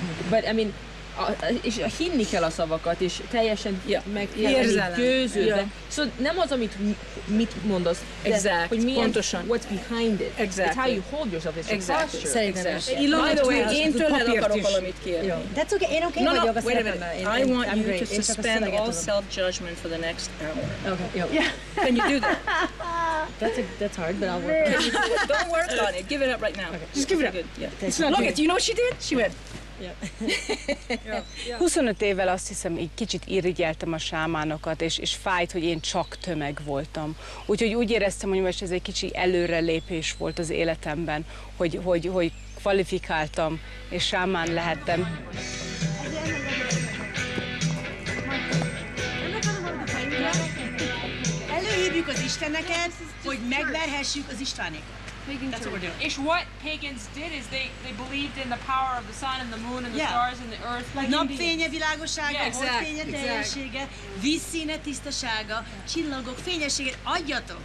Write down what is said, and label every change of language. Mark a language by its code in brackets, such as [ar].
[en] But I mean, [hu] és hinni kell a szavakat, és teljesen meggyőződve. [en] Yeah. [hu] Szóval nem az, amit mit mondasz, [en] exactly. [hu] Hogy milyen, pontosan. [en] What's behind it. Exactly. It's how you hold yourself, it's exactly. Your posture. Exactly. [hu] Ilona, [en] by the way, [hu] én tőled akarok valamit kérni. [en] Yeah. That's okay, [hu] én okay vagyok a szerepben. [en] I want you to suspend all self-judgment for the next hour. Okay, yeah. Can you do that? That's hard, but I'll work on it. Don't work on it, give it up right now. Just give it up. Look at, do you know what she did? She went. Yeah. [hu] 25 évvel azt hiszem, így kicsit irigyeltem a sámánokat, és fájt, hogy én csak tömeg voltam. Úgyhogy úgy éreztem, hogy most ez egy kicsi előrelépés volt az életemben, hogy kvalifikáltam, és sámán lehettem. Előhívjuk az Isteneket, hogy megverhessük az Istvánékat. [en] That's what we're doing. Ish, what pagans did is they believed in the power of the sun and the moon and the stars and the earth. Like [hu] napfénye, világossága, holdfénye, teljessége, vízszíne, tisztasága, csillagok, fényessége, adjatok.